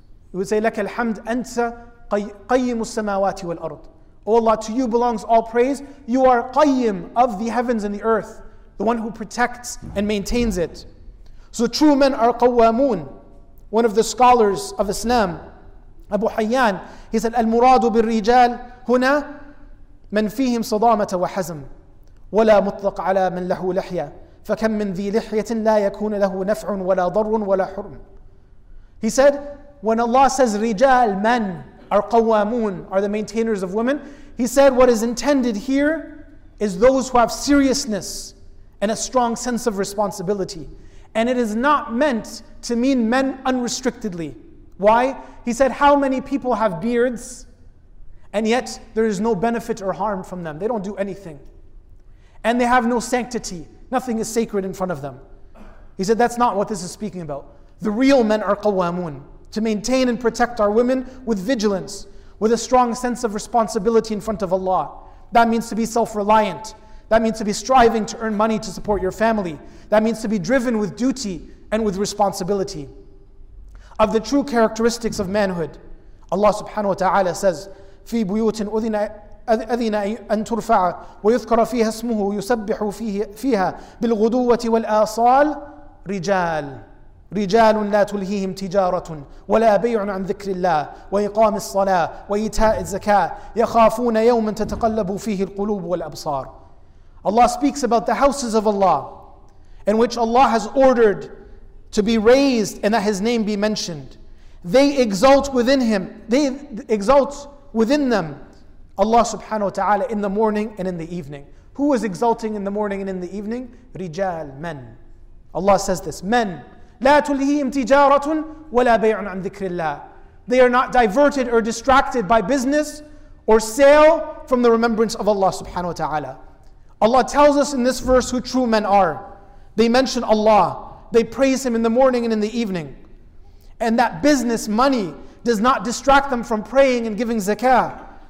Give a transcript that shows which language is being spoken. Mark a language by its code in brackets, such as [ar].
[en] He would say, [ar] لك الحمد أنت قيم السماوات والأرض. [en] O Allah, to you belongs all praise. You are قيم of the heavens and the earth, the one who protects and maintains it. So true men are قوامون. One of the scholars of Islam, Abu Hayyan, he said, [ar] المراد بالرجال هنا من فيهم صدامة وحزم ولا مطلق على من له لحية فكم من ذي لحية لا يكون له نفع ولا ضر ولا حرم. [en] He said, when Allah says رجال, men are قوامون, are the maintainers of women, He said what is intended here is those who have seriousness and a strong sense of responsibility. And it is not meant to mean men unrestrictedly. Why? He said, how many people have beards and yet there is no benefit or harm from them? They don't do anything. And they have no sanctity. Nothing is sacred in front of them. He said, that's not what this is speaking about. The real men are qawwamun, to maintain and protect our women with vigilance, with a strong sense of responsibility in front of Allah. That means to be self-reliant. That means to be striving to earn money to support your family. That means to be driven with duty and with responsibility. Of the true characteristics of manhood, Allah subhanahu wa ta'ala says, [ar] فِي بُيُوتٍ أَذِنَ أَن تُرْفَعَ وَيُذْكَرَ فِيهَا اسْمُهُ يُسَبِّحُ فِيهَا بِالْغُدُوَّةِ وَالْآصَالِ رِجَالٌ لَا تُلْهِيهِمْ تِجَارَةٌ وَلَا بَيْعٌ عَنْ ذِكْرِ اللَّهِ وَإِقَامِ الصَّلَاةِ وَإِيتَاءِ الزَّكَاةِ يَخَافُونَ يَوْمًا تَتَقَلَّبُ فِيهِ الْقُلُوبُ وَالْأَبْصَارُ. [en] Allah speaks about the houses of Allah, in which Allah has ordered to be raised and that His name be mentioned. They exult within Him. They exult within them, Allah subhanahu wa ta'ala, in the morning and in the evening. Who is exulting in the morning and in the evening? Rijal, men. Allah says this, men. [ar] لا تلهيهم تجارة ولا بيع عن ذكر الله. [en] They are not diverted or distracted by business or sale from the remembrance of Allah subhanahu wa ta'ala. Allah tells us in this verse who true men are. They mention Allah. They praise Him in the morning and in the evening. And that business, money, does not distract them from praying and giving zakah.